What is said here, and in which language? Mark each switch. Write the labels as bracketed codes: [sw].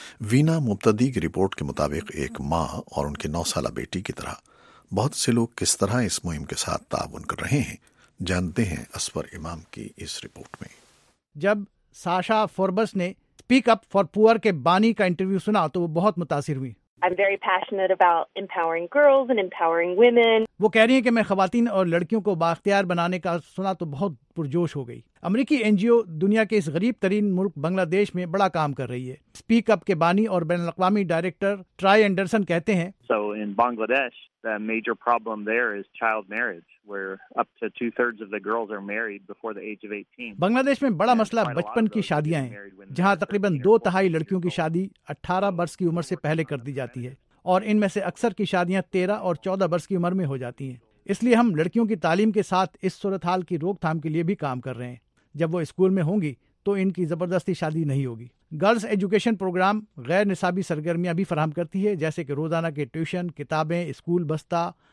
[ur] وینا مبتدی کی رپورٹ کے مطابق ایک ماں اور ان کے 9 سالہ بیٹی کی طرح بہت سے لوگ کس طرح اس مہم کے ساتھ تعاون کر رہے ہیں، جانتے ہیں اسفر امام کی اس رپورٹ میں۔ جب ساشا فوربس نے سپیک اپ فار پور کے بانی کا انٹرویو سنا تو وہ بہت متاثر ہوئی۔ [en] I'm very passionate about empowering girls and empowering women. [ur] وہ کہہ رہی ہیں کہ میں خواتین اور لڑکیوں کو بااختیار بنانے کا سنا تو بہت پرجوش ہو گئی۔ امریکی این جی او دنیا کے اس غریب ترین ملک بنگلہ دیش میں بڑا کام کر رہی ہے۔ سپیک اپ کے بانی اور بین الاقوامی ڈائریکٹر ٹرائی اینڈرسن کہتے ہیں، [en] So in Bangladesh, the major problem there is child marriage. Where up to 2/3 of the girls are married before the age of 18. [ur] بنگلہ دیش میں بڑا مسئلہ بچپن کی شادیاں ہیں، جہاں تقریباً 2/3 لڑکیوں کی شادی 18 برس کی عمر سے پہلے کر دی جاتی ہے، اور ان میں سے اکثر کی شادیاں 13 اور 14 برس کی عمر میں ہو جاتی ہیں۔ اس لیے ہم لڑکیوں کی تعلیم کے ساتھ اس صورتحال کی روک تھام کے لیے بھی کام کر رہے ہیں۔ جب وہ اسکول میں ہوں گی تو ان کی زبردستی شادی نہیں ہوگی۔ گرلز ایجوکیشن پروگرام غیر نصابی سرگرمیاں بھی فراہم کرتی ہے، جیسے کہ روزانہ کے ٹیوشن، کتابیں، اسکول بستہ